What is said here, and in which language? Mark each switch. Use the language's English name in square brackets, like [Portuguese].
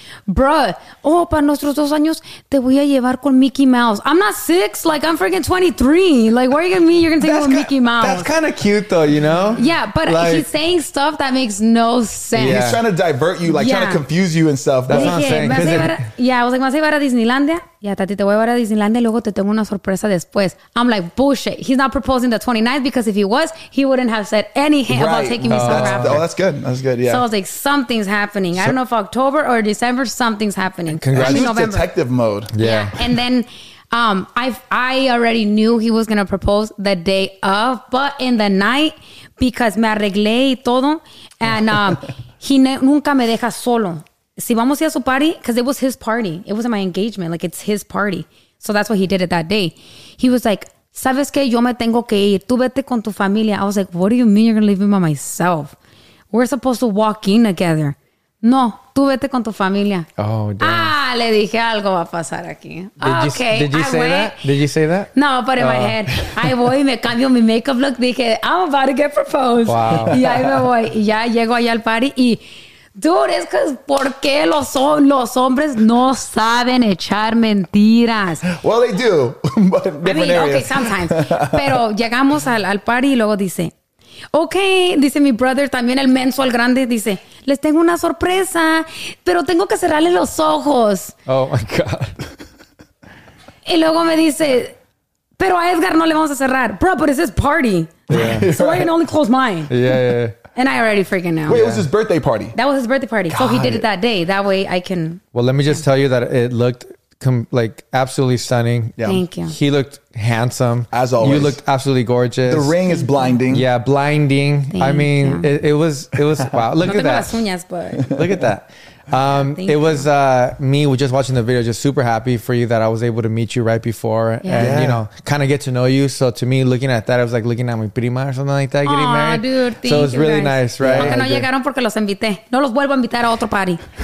[Spanish] Bruh, para nuestros 2 años, te voy a llevar con Mickey Mouse. [English] I'm not 6, like, I'm freaking 23. Like, what are you gonna mean you're gonna take me with Mickey Mouse? That's kind of cute, though, you know? Yeah, but like, he's saying stuff that makes no sense. Yeah. He's trying to divert you, like, trying to confuse you and stuff. That's what I'm saying. I was like, [Spanish] ¿vas a llevar a Disneylandia? Yeah, tati, te voy a llevar a Disneylandia, luego te tengo una sorpresa después. [English] I'm like, bullshit. He's not proposing the 29th, because if he was, he wouldn't have said any hint about taking me somewhere after. Oh, that's good. That's good, yeah. So I was like, something's happening. So, I don't know if October or December, something's happening. Congratulations. I mean, detective mode. Yeah. And then I already knew he was going to propose the day of, but in the night, because [Spanish] me arreglé y todo, [English] and [Spanish] nunca me deja solo. Si vamos a su party, [English] because it was his party. It wasn't my engagement. Like, it's his party. So that's what he did it that day. He was like, [Spanish] ¿sabes qué? Yo me tengo que ir. Tú vete con tu familia. [English] I was like, what do you mean you're going to leave me by myself? We're supposed to walk in together. [Spanish] No, tú vete con tu familia. [English] Oh, damn. [Spanish] Ah, le dije algo va a pasar aquí. [English] Did you say that? No, but in my head. I [Spanish] voy, me cambio mi makeup look. [English] Dije, I'm about to get proposed. Wow. [Spanish] Y ahí me voy. Y ya llego allá al party y... Dude, es que ¿por qué los hombres no saben echar mentiras? [English] Well, they do, but in different areas. [Spanish] Okay, sometimes. Pero llegamos al party y luego dice, Okay, dice mi brother, también el menso, el grande, dice, les tengo una sorpresa, pero tengo que cerrarle los ojos. [English] Oh, my God. [Spanish] Y luego me dice, pero a Edgar no le vamos a cerrar. [English] Bro, but it's his party. Yeah. So I can only close mine. Yeah, yeah, and I already freaking know. Wait, yeah. It was his birthday party. That was his birthday party. Got so he did it that day. That way I can... Well, let me just tell you that it looked... like absolutely stunning. Yeah. Thank you. He looked handsome as always. You looked absolutely gorgeous. The ring is blinding. Yeah, blinding. Thank I mean, it was wow. Look at that. [Spanish] Las uñas, but. [English] Look at that. It was me just watching the video, just super happy for you that I was able to meet you right before you know, kind of get to know you. So to me, looking at that, I was like looking at my prima or something like that, getting aww, married. Dude, so it was really guys. Nice, right? [Spanish] Yeah, no llegaron porque los invité. No los vuelvo a invitar a otro party.